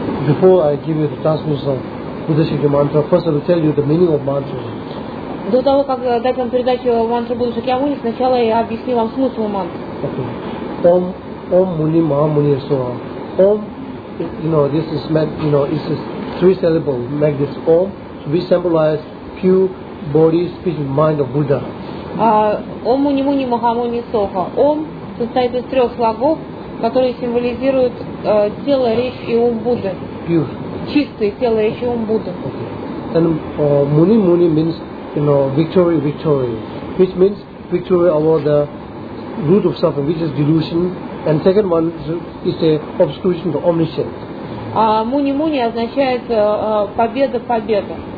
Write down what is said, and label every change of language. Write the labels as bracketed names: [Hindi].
[English] Before I give you the transmission of Buddhist mantra, first I will tell you the meaning of mantra. [Russian] До того, как дать вам передачу мантры Будды Шакьямуни, сначала я объясню вам смысл мантры. [Sanskrit] Ом, ом муни маа муни суа. [English] Ом, you know, this is meant, you know, it's just three syllables, make this ом. We symbolize pure body, speech, mind of Buddha. [Sanskrit] Ом муни муни маа муни суа. [Russian] Ом состоит из трех слогов, которые символизируют тело, речь и ум Будды. [English] Pure. [Russian] Чистое тело, речь и ум Будды. [English] And муни муни means, you know, victory, victory, which means victory over the root of suffering, which is delusion. And second one is a obstruction to omniscience. [Russian] Муни-муни означает победа, победа.